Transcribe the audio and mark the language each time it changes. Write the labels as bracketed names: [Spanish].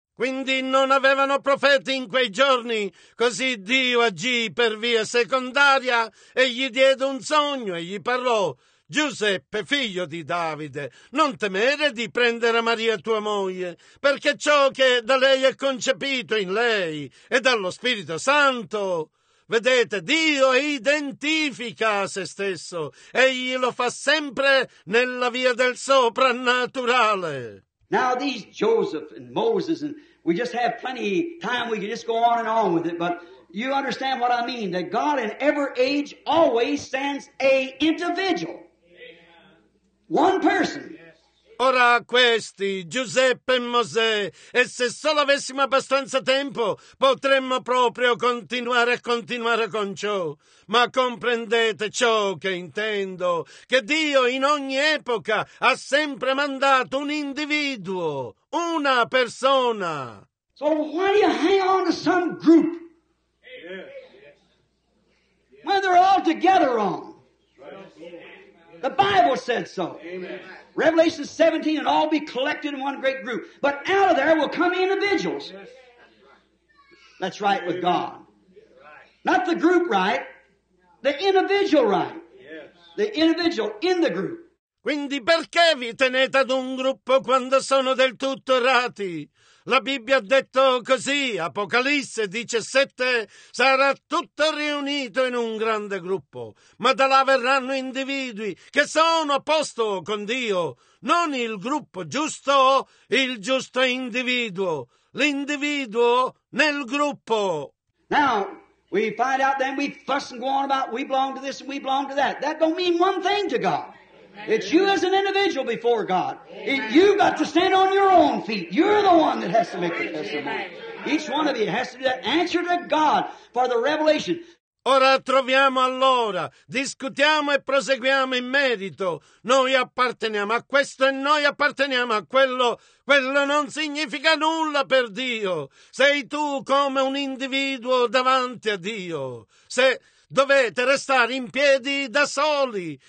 [Italian] Quindi non avevano profeti in quei giorni, così Dio agì per via secondaria e gli diede un sogno e gli parlò. Giuseppe, figlio di Davide, non temere di prendere Maria tua moglie, perché ciò che da lei è concepito in lei è dallo Spirito Santo. Vedete, Dio identifica se stesso, egli lo fa sempre nella via del soprannaturale. [English] Now these Joseph and Moses, and we just have plenty of time, we can just go on and on with it, but you understand what I mean, that God in every age always sends a individual. One person. [Italian] Ora questi, Giuseppe e Mosè, e se solo avessimo abbastanza tempo, potremmo proprio continuare e continuare con ciò. Ma comprendete ciò che intendo, che Dio in ogni epoca ha sempre mandato un individuo, una persona. [English] So why do you hang on to some group? When they're all together wrong. The Bible said so. Amen. Revelation 17, and all be collected in one great group. But out of there will come individuals. That's right with God. Not the group right, the individual right. The individual in the group. [Italian] Quindi perché vi tenete ad un gruppo quando sono del tutto errati? La Bibbia ha detto così, Apocalisse 17, sarà tutto riunito in un grande gruppo, ma da là verranno individui che sono a posto con Dio, non il gruppo giusto, il giusto individuo, l'individuo nel gruppo. [English] Now, we find out then we fuss and go on about we belong to this and we belong to that. That don't mean one thing to God. It's you as an individual before God. You've got to stand on your own feet. You're the one that has to make the testimony. Each one of you has to do that. Answer to God for the revelation. [Italian] Ora troviamo allora, discutiamo e proseguiamo in merito. Noi apparteniamo a questo e noi apparteniamo a quello. Quello non significa nulla per Dio. Sei tu come un individuo davanti a Dio. Se dovete restare in piedi da soli.